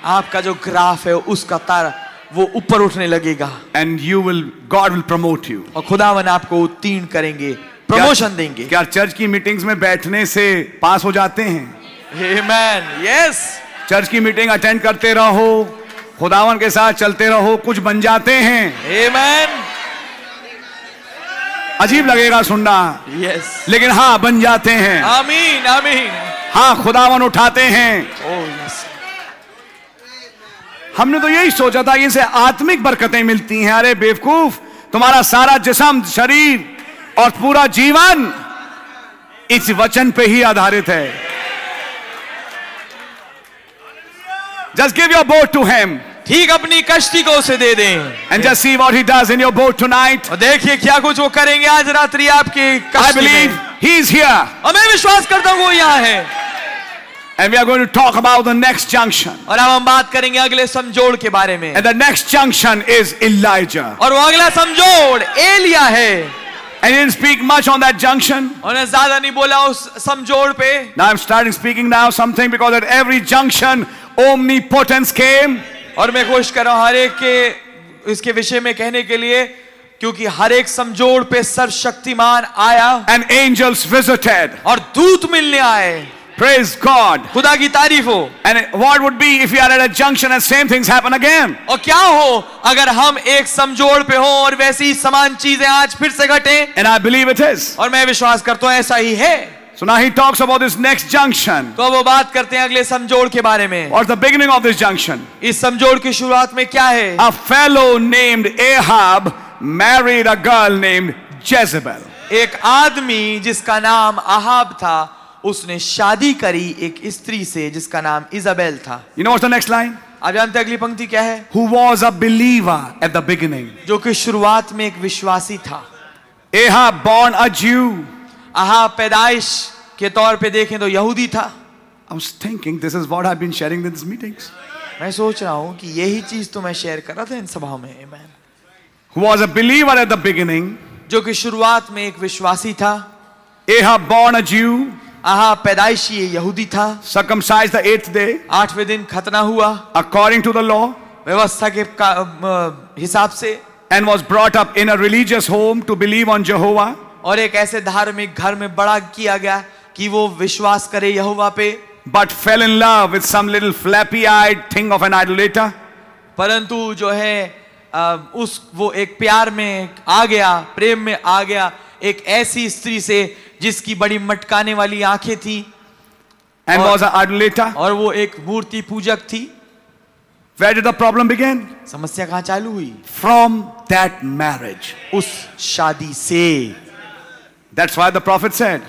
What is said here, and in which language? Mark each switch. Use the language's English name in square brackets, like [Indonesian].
[Hindi] आपका जो ग्राफ है उसका तारा वो ऊपर उठने लगेगा. [English] And you will, God will promote you. [Hindi] और खुदावन आपको उत्तीर्ण करेंगे, प्रमोशन देंगे. क्या चर्च की मीटिंग्स में बैठने से पास हो जाते हैं? [English] Amen. Yes. [Hindi] चर्च की मीटिंग अटेंड करते रहो, खुदावन के साथ चलते रहो, कुछ बन जाते हैं. [English] Amen. [Hindi] अजीब लगेगा सुनना. [English] Yes. [Hindi] लेकिन हाँ बन जाते हैं. आमीन आमीन. हाँ खुदावन उठाते हैं. [English] Oh, yes. [Hindi] हमने तो यही सोचा था कि इनसे आत्मिक बरकतें मिलती हैं. अरे बेवकूफ, तुम्हारा सारा जिस्म, शरीर और पूरा जीवन इस वचन पे ही आधारित है. [English] Just give your boat to him. [Hindi] ठीक अपनी कश्ती को उसे दे दें. [English] And just see what he does in your boat tonight. [Hindi] और देखिए क्या कुछ वो करेंगे आज रात्रि आपकी कश्ती. [English] I believe he is here. [Hindi] और मैं विश्वास करता हूँ वो यहाँ है. [English] And we are going to talk about the next junction. [Hindi] और अब हम बात करेंगे अगले समझौड़ के बारे में. [English] And the next junction is Elijah. [Hindi] और वो अगला समझौड़ एलिया है. [English] And he didn't speak much on that junction. [Hindi] उन्हें ज़्यादा नहीं बोला उस समझौते पे. [English] Now I'm starting speaking now something because at every junction omnipotence came. [Hindi] और मैं कोशिश कर रहा हूँ हर एक के इसके विषय में कहने के लिए क्योंकि हर एक समझौते पे सर्वशक्तिमान आया. [English] And angels visited. [Hindi] और दूत मिलने आए. [English] Praise God. [Hindi] खुदा की तारीफ हो. [English] And what would be if you are at a junction and same things happen again? [Hindi] और क्या हो अगर हम एक समझौते पे हों और वैसी समान चीजें आज फिर से घटें? [English] And I believe it is. [Hindi] और मैं विश्वास करता हूँ ऐसा ही है. [English] So now he talks about this next junction. [Hindi] तो वो बात करते हैं अगले समझौते के बारे में. [English] What's the beginning of this junction? [Hindi] इस समझौते की शुरुआत में क्या है? [English] A fellow named Ahab married a girl named Jezebel. [Hindi] एक आदमी जिसका नाम अहाब था उसने शादी करी एक स्त्री से जिसका नाम इजाबेल था. [English] You know what's the next line? [Hindi] आप जानते हैं अगली पंक्ति क्या है? [English] Who was a believer at the beginning? [Hindi] जो कि शुरुआत में एक विश्वासी था. [English] Ahab born a Jew. [Hindi] Ahab पैदाइश के तौर पे देखें तो यहूदी था. [English] I was thinking this is what I've been sharing in these meetings. [Hindi] मैं सोच रहा हूँ कि यही चीज तो मैं शेयर कर रहा था इन सभाओं में. [English] Amen. Who was a believer at the beginning? [Hindi] जो कि शुरुआत में एक विश्वासी था. [English] Ahab born a Jew. [Hindi] Ahab पैदाइशी यहूदी था. [English] Circumcised the eighth day. [Hindi] आठवें दिन खतना हुआ. [English] According to the law. [Hindi] व्यवस्था के हिसाब से. [English] And was brought up in a religious home to believe on Jehovah. [Hindi] और एक ऐसे धार्मिक घर में बड़ा किया गया कि वो विश्वास करे यहोवा पे. [English] But fell in love with some little flappy-eyed thing of an idolater. [Hindi] परंतु जो है उस वो एक प्यार में आ गया, प्रेम में आ गया एक ऐसी स्त्री से जिसकी बड़ी मटकाने वाली आंखें थी. [English] And was an idolater. [Hindi] और वो एक मूर्ति पूजक थी. [English] Where did the problem begin? [Hindi] समस्या कहां चालू हुई? [English] From that marriage. [Hindi] उस शादी से. [English] That's why the prophet said.